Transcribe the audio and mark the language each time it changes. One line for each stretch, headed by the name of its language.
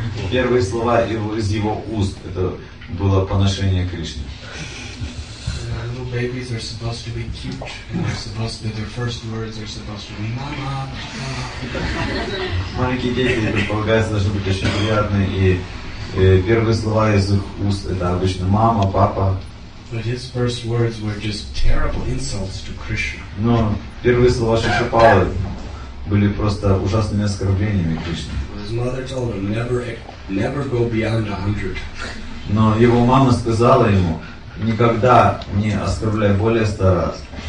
Russian: Первые слова из его уст это было поношение Кришны.
English: Babies are supposed to be cute, and they're supposed to, their first words are supposed to be "mama."
Russian: Маленькие дети предполагается должны быть очень приятные, и первые слова из их уст это обычно "мама", "папа".
English: But his first words were just terrible insults to Krishna.
Russian: Но первые слова Шишупалы были просто ужасными оскорблениями Кришне.
English: His mother told him never go beyond 100.
Russian: Но его мама сказала ему. Никогда не оскорбляй более 100 раз.